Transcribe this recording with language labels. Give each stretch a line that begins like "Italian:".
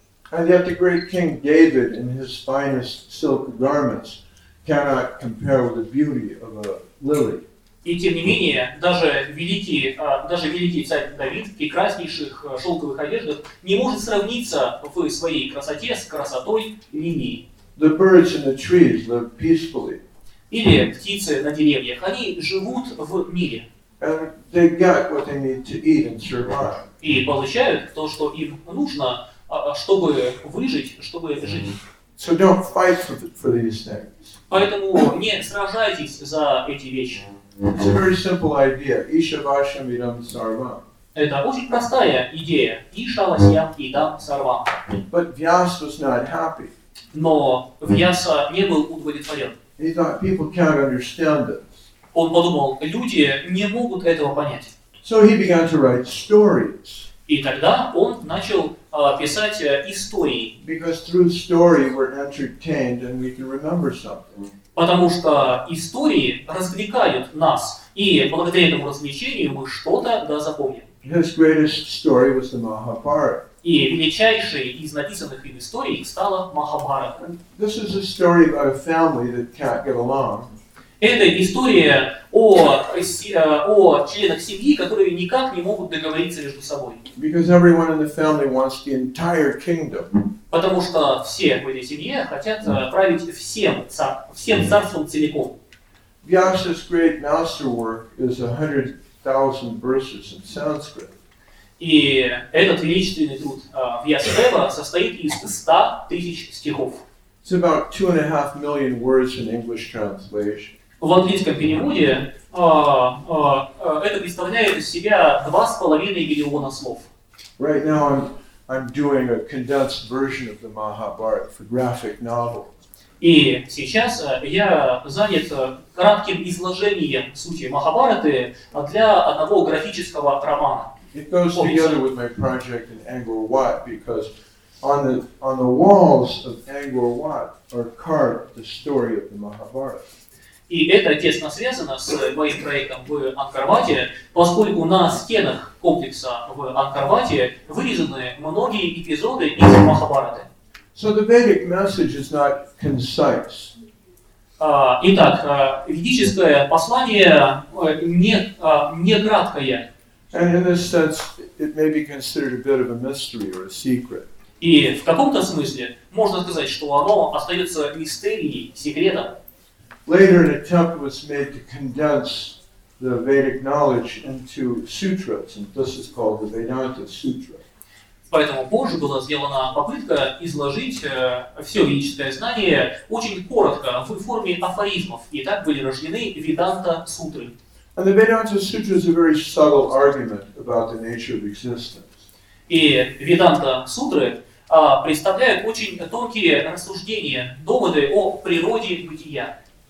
English: And yet the great King David in his finest silk garments cannot compare with the beauty of a lily.
Russian: И тем не менее, даже великий царь Давид в прекраснейших шелковых одеждах не может сравниться в своей красоте с красотой лилии.
English: The birds in the trees live peacefully.
Russian: Или птицы на деревьях, они живут в мире.
English: And they get what they need to eat and survive.
Russian: И получают то, что им нужно, чтобы выжить, чтобы жить.
English: So don't fight for these things.
Russian: Поэтому не сражайтесь за эти вещи.
English: It's a very simple idea.
Sanskrit: Ishavasyam idam sarvam.
Russian: Это очень простая идея.
Sanskrit: Ishavasyam idam sarvam.
English: But Vyas was not happy.
Russian: Но Вьяса не был удовлетворен.
English: He thought people can't understand this.
Russian: Он подумал, люди не могут этого понять.
English: So he began to write stories.
Russian: И тогда он начал писать истории.
English: Because through story we're entertained and we can remember something.
Russian: Потому что истории развлекают нас, и благодаря этому развлечению мы что-то да запомним.
English: His greatest story was the Mahabharata.
Russian: И величайшей из написанных им историй стала Махабхарата.
English: This is a story about a family that can't get along.
Russian: Это история о членах семьи, которые никак не могут договориться между собой.
English: Because everyone in the family wants the entire kingdom.
Russian: Потому что все в этой семье хотят править всем царством целиком.
English: Vyasa's great masterwork is 100,000 verses in Sanskrit.
Russian: И этот величественный труд Вьясадева состоит из 100,000 стихов.
English: It's about 2.5 million words in English translation.
Russian: В английском переводе это представляет из себя 2.5 миллиона слов.
English: Right now I'm doing a condensed version of the Mahabharata for graphic novel.
Russian: И сейчас я занят кратким изложением сути Махабхараты для одного графического романа.
English: It goes together with my project in Angkor Wat because on the walls of Angkor Wat are carved the story of the Mahabharata.
Russian: И это тесно связано с моим проектом в Ангкор-Вате, поскольку на стенах комплекса в Ангкор-Вате вырезаны многие эпизоды из Махабхараты.
English: So the Vedic message is not concise.
Russian: Итак, ведическое послание не краткое.
English: And in this sense, it may be considered a bit of a mystery or a secret.
Russian: И в каком-то смысле можно сказать, что оно остается мистерией, секретом.
English: Later, an attempt was made to condense the Vedic knowledge into sutras, and this is called the Vedanta Sutra.
Russian: Поэтому позже была сделана попытка изложить все ведическое знание очень коротко в форме афоризмов, и так были рождены Веданта Сутры.
English: And the Vedanta Sutra is a very subtle argument of about the nature of existence.
Russian: И Веданта Сутры представляют очень тонкие рассуждения, доводы о природе бытия.